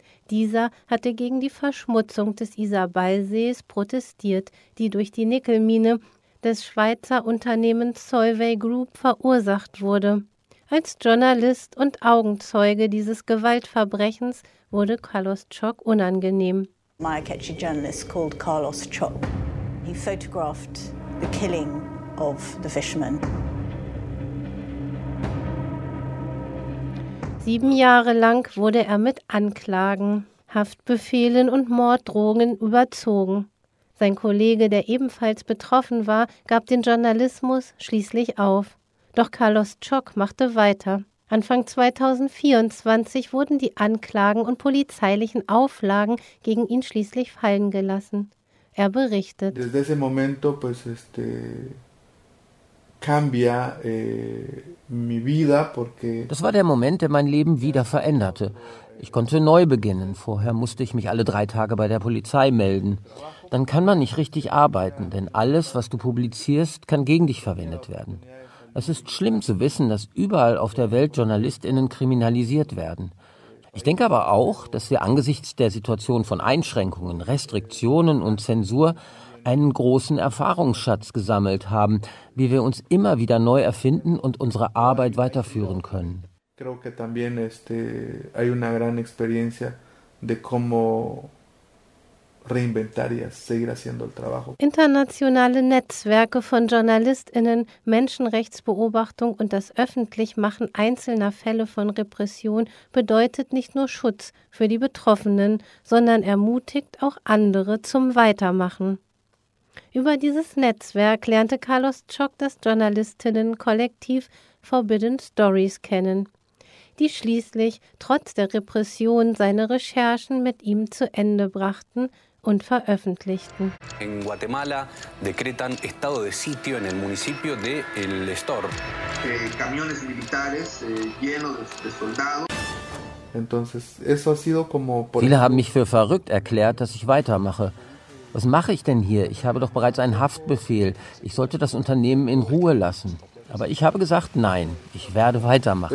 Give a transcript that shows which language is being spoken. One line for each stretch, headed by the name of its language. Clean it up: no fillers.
German: Dieser hatte gegen die Verschmutzung des Isarballsees protestiert, die durch die Nickelmine des Schweizer Unternehmens Solvay Group verursacht wurde. Als Journalist und Augenzeuge dieses Gewaltverbrechens wurde Carlos Csok unangenehm.
English: My catchy journalist called Carlos Csok. He photographed the killing of the fisherman.
German: 7 Jahre lang wurde er mit Anklagen, Haftbefehlen und Morddrohungen überzogen. Sein Kollege, der ebenfalls betroffen war, gab den Journalismus schließlich auf. Doch Carlos Csok machte weiter. Anfang 2024 wurden die Anklagen und polizeilichen Auflagen gegen ihn schließlich fallen gelassen. Er berichtet.
Spanish: Desde ese momento, pues, cambia, mi vida porque...
German: Das war der Moment, der mein Leben wieder veränderte. Ich konnte neu beginnen. Vorher musste ich mich alle 3 Tage bei der Polizei melden. Dann kann man nicht richtig arbeiten, denn alles, was du publizierst, kann gegen dich verwendet werden. Es ist schlimm zu wissen, dass überall auf der Welt JournalistInnen kriminalisiert werden. Ich denke aber auch, dass wir angesichts der Situation von Einschränkungen, Restriktionen und Zensur einen großen Erfahrungsschatz gesammelt haben, wie wir uns immer wieder neu erfinden und unsere Arbeit weiterführen können.
Spanish: Creo que también hay una gran experiencia de cómo reinventar y seguir haciendo el trabajo.
German: Internationale Netzwerke von JournalistInnen, Menschenrechtsbeobachtung und das Öffentlichmachen einzelner Fälle von Repression bedeutet nicht nur Schutz für die Betroffenen, sondern ermutigt auch andere zum Weitermachen. Über dieses Netzwerk lernte Carlos Csok das JournalistInnen-Kollektiv Forbidden Stories kennen, die schließlich trotz der Repression seine Recherchen mit ihm zu Ende brachten und veröffentlichten.
Spanish: In Guatemala decretan estado de sitio en el municipio de El Estor. Camiones militares llenos de soldados. Entonces, eso ha sido como...
German: Viele haben mich für verrückt erklärt, dass ich weitermache. Was mache ich denn hier? Ich habe doch bereits einen Haftbefehl. Ich sollte das Unternehmen in Ruhe lassen. Aber ich habe gesagt, nein, ich werde weitermachen.